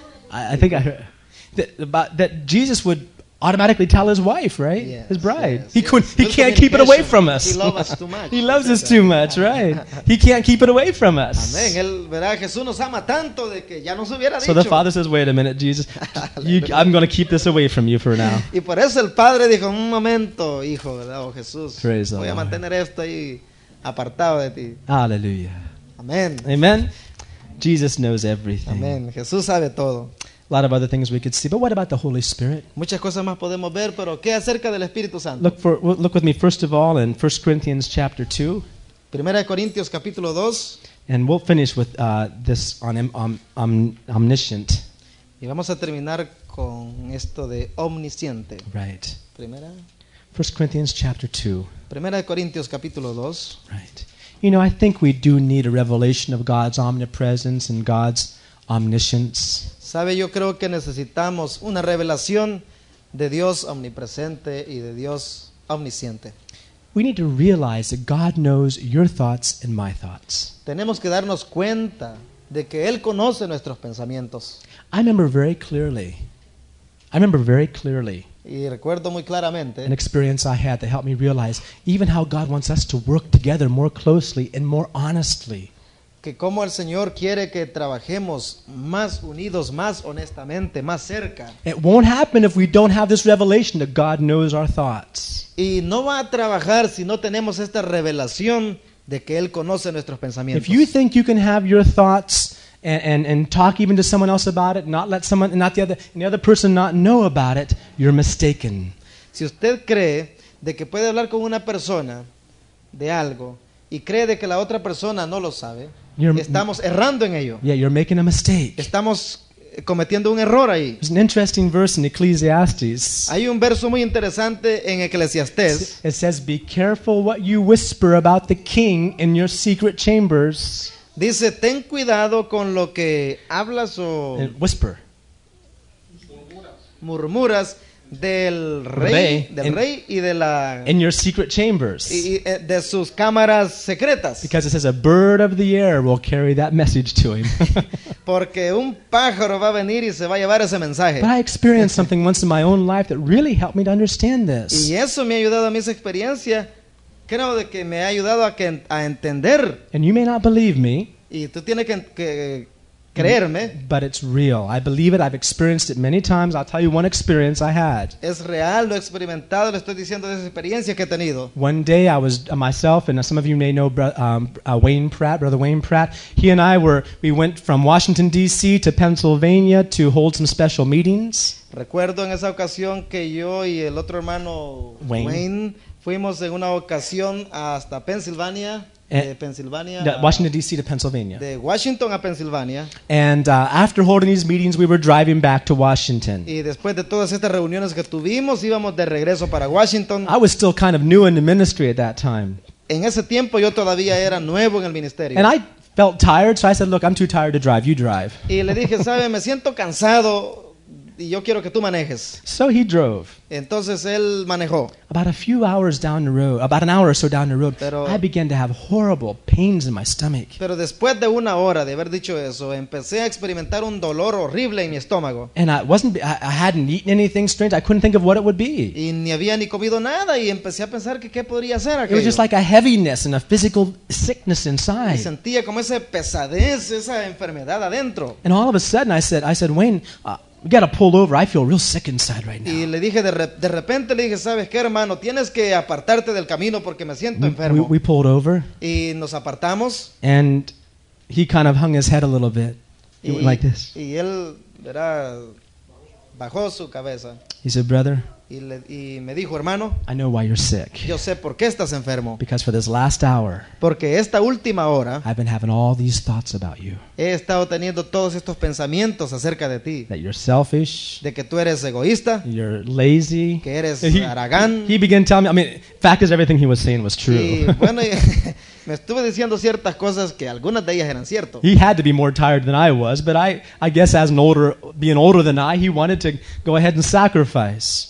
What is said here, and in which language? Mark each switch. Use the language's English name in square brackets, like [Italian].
[English] I think I heard that Jesus would automatically tell his wife, right? Yes, his bride. Yes, he couldn't. Yes. He can't keep it away from us. He loves us too much. He loves us too much, right? He can't keep it away from us. Amen. [Spanish] Él, verdad, Jesús nos ama tanto de que ya nos hubiera dicho. [English] So the Father says, "Wait a minute, Jesus. I'm going to keep this away from you for now." [Spanish] Y por eso el Padre dijo, "Un momento, hijo, verdad, oh, Jesús. [English] Praise [Spanish] voy [English] the [Spanish] a mantener esto ahí apartado de ti." [English] Hallelujah. Amen. Amen. Jesus knows everything. [Spanish] Amen. Jesús sabe todo. [English] A lot of other things we could see, but what about the Holy Spirit? [Spanish] Muchas cosas más podemos ver, pero ¿qué acerca del Espíritu Santo? [English] Look with me first of all in 1 Corinthians chapter 2. [Spanish] Primera de Corintios capítulo 2. [English] And we'll finish with this on omniscient. [Spanish] Y vamos a terminar con esto de omnisciente. [English] Right. [Spanish] Primera. [English] 1 Corinthians chapter 2. [Spanish] Primera de Corintios capítulo 2. [English] Right. You know, I think we do need a revelation of God's omnipresence and God's omniscience. [Spanish] Sabe, yo creo que necesitamos una revelación de Dios omnipresente y de Dios omnisciente. [English] We need to realize that God knows your thoughts and my thoughts. [Spanish] Tenemos que darnos cuenta de que Él conoce nuestros pensamientos. [English] I remember very clearly. I remember very clearly [Spanish] y recuerdo muy claramente [English] an experience I had that helped me realize even how God wants us to work together more closely and more honestly. [Spanish] Que como el Señor quiere que trabajemos más unidos, más honestamente, más cerca. [English] It won't happen if we don't have this revelation that God knows our thoughts. [Spanish] Y no va a trabajar si no tenemos esta revelación de que Él conoce nuestros pensamientos. [English] If you think you can have your thoughts and talk even to someone else about it, not let someone, not the other, and the other person not know about it, you're mistaken. [Spanish] Si usted cree de que puede hablar con una persona de algo y cree de que la otra persona no lo sabe, estamos errando en ello. [English] Yeah, you're making a mistake. [Spanish] Estamos cometiendo un error ahí. [English] There's an interesting verse in Ecclesiastes. [Spanish] Hay un verso muy interesante en Eclesiastés. [English] It says, "Be careful what you whisper about the king in your secret chambers." [Spanish] Dice, ten cuidado con lo que hablas o [English] whisper. [Spanish] Murmuras. Del rey, rey y de la [English] in your secret chambers [Spanish] y de sus cámaras secretas. [English] Because it says a bird of the air will carry that message to him. [Spanish] Porque un pájaro va a venir y se va a llevar ese mensaje. [English] But I experienced something once in my own life that really helped me to understand this. [Spanish] Y eso me ha ayudado a mi experiencia. Creo de que me ha ayudado a entender. [English] And you may not believe me. [Spanish] Y tú tienes que creerme. [English] But it's real. I believe it. I've experienced it many times. I'll tell you one experience I had. [Spanish] Es real, lo he experimentado. Le estoy diciendo de esa experiencia que he tenido. [English] One day I was myself, and some of you may know Wayne Pratt, Brother Wayne Pratt. He and I we went from Washington, D.C. to Pennsylvania to hold some special meetings. [Spanish] Recuerdo en esa ocasión que yo y el otro hermano Wayne fuimos en una ocasión hasta Pennsylvania. [English] Washington, D.C. to Pennsylvania. [Spanish] De Washington a Pennsylvania. [English] And after holding these meetings, we were driving back to Washington. [Spanish] Y después de todas estas reuniones que tuvimos, íbamos de regreso para Washington. [English] I was still kind of new in the ministry at that time. [Spanish] En ese tiempo, yo todavía era nuevo en el ministerio. [English] And I felt tired, so I said, look, I'm too tired to drive, you drive. [Spanish] Y le dije, sabe, me siento cansado y yo quiero que tú manejes. [English] So he drove. [Spanish] Entonces él manejó. [English] About a few hours down the road, about an hour or so down the road, [Spanish] pero, [English] I began to have horrible pains in my stomach. [Spanish] Pero después de una hora de haber dicho eso, empecé a experimentar un dolor horrible en mi estómago. [English] And I hadn't eaten anything strange. I couldn't think of what it would be. [Spanish] Y ni había ni comido nada y empecé a pensar que qué podría ser aquello. [English] It was just like a heaviness and a physical sickness inside. [Spanish] Y sentía como esa pesadez, esa enfermedad adentro. [English] And all of a sudden I said, Wayne, we gotta pull over. I feel real sick inside right now. [Spanish] Y le dije de repente le dije, ¿sabes qué, hermano? Tienes que apartarte del camino porque me siento enfermo. [English] We pulled over. [Spanish] Y nos apartamos. [English] And he kind of hung his head a little bit. He went like this. [Spanish] Y él, ¿verdad? Bajó su cabeza. [English] He said, brother. [Spanish] Y me dijo, hermano. [English] I know why you're sick. [Spanish] Yo sé por qué estás enfermo. [English] Because for this last hour. [Spanish] Porque esta última hora. [English] I've been having all these thoughts about you. [Spanish] He estado teniendo todos estos pensamientos acerca de ti. [English] That you're selfish. [Spanish] De que tú eres egoísta. [English] You're lazy. [Spanish] Que eres haragán. [English] He began telling me. I mean, fact is everything he was saying was true. [Spanish] Y bueno, me estuve diciendo ciertas cosas que algunas de ellas eran cierto. [English] He had to be more tired than I was, but I guess as an older, being older than I, he wanted to go ahead and sacrifice.